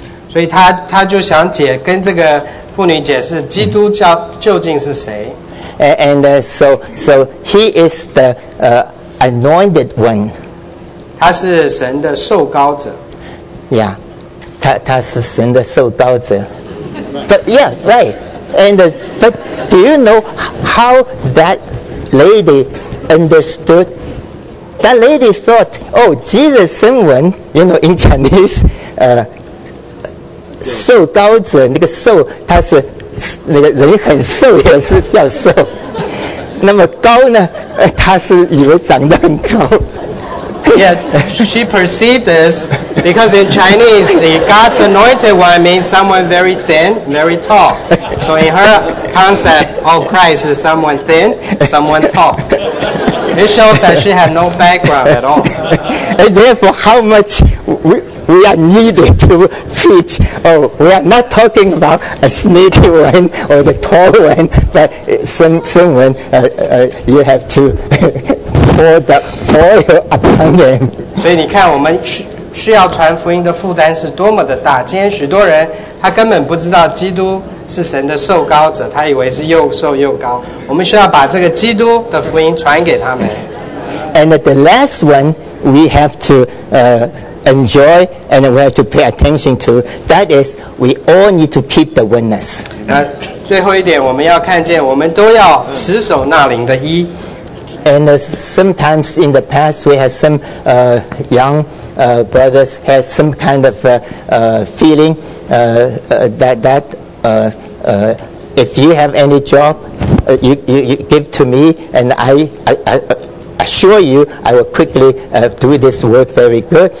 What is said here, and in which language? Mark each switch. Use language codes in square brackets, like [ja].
[zh] 所以他就想解跟这个妇女解释基督教究竟是谁。 [en] And so he is the anointed one. [zh] 他是神的受膏者。 Yeah, 他是神的受膏者。 [en] But yeah, right. And but do you know how that lady understood? That lady thought, oh, Jesus, someone, you know, in Chinese, [zh] 瘦高者，那个瘦，他是那个人很瘦，也是叫瘦。那么高呢？他是以为长得很高。 [en] Yeah, she perceived this because in Chinese, the God's anointed one means someone very thin, very tall. So in her concept, oh, Christ is someone thin, someone tall. It shows that she had no background at all. And therefore, how much we are needed to preach. Oh, we are not talking about a sneaky one or the tall one, but someone you have to pour the oil upon them. [zh] 所以你看我们需要传福音的负担是多么的大。今天许多人他根本不知道基督是神的受膏者，他以为是又瘦又高。我们需要把这个基督的福音传给他们。 [en] And the last one we have to enjoy and we have to pay attention to, that is, we all need to keep the oneness. [zh] 最后一点，我们要看见我们都要持守那灵的一。 [en] And sometimes in the past, we had some young brothers had some kind of feeling that if you have any job, you give to me, and I assure you, I will quickly do this work very good.